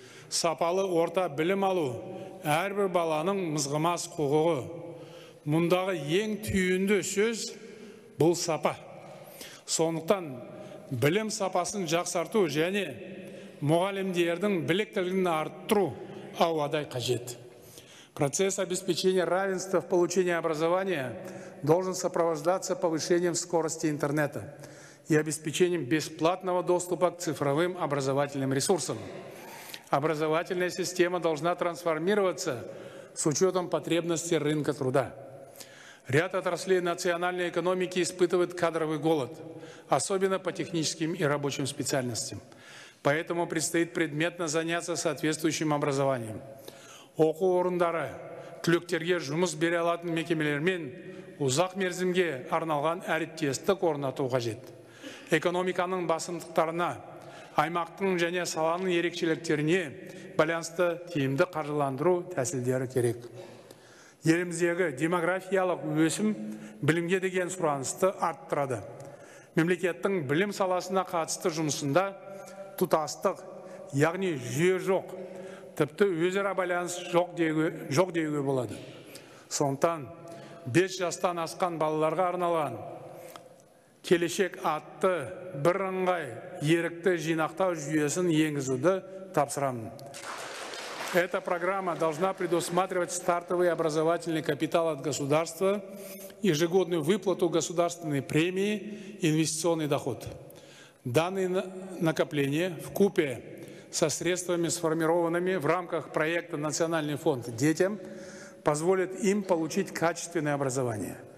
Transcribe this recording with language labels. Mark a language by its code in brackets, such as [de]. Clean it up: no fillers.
[kk] Сапалы орта білім алу әрбір баланың мызғымас құқығы. Мұндағы ең түйінді сөз бұл сапа. Сондықтан білім сапасын жақсарту және мұғалімдердің біліктілігін арттыру ауадай қажет. [ru] Процесс обеспечения равенства в получении образования должен сопровождаться повышением скорости интернета и обеспечением бесплатного доступа к цифровым образовательным ресурсам. Образовательная система должна трансформироваться с учетом потребностей рынка труда. Ряд отраслей национальной экономики испытывает кадровый голод, особенно по техническим и рабочим специальностям. Поэтому предстоит предметно заняться соответствующим образованием. [kk] Оқу орындары, түлектерге жұмыс бере алатын мекемелермен ұзақ мерзімге арналған әріптестік орнату қажет. Экономиканың басымдықтарына, аймақтың және саланың ерекшеліктеріне байланысты тиімді қаржыландыру тәсілдері керек. Еліміздегі демографиялық өсім білімге деген сұранысты арттырады. Мемлекеттің білім саласына қатысты жұмысында тұтастық, яғни жүйе жоқ, тіпті өзара байланыс жоқ деуге болады. Сондықтан 5 жастан асқан балаларға арналған келешек атты бірыңғай ерікті жинақтау жүйесін енгізуді тапсырамын. [ru] Эта программа должна предусматривать стартовый образовательный капитал от государства, ежегодную выплату государственной премии, инвестиционный доход. Данные накопления вкупе со средствами, сформированными в рамках проекта «Национальный фонд детям», позволит им получить качественное образование.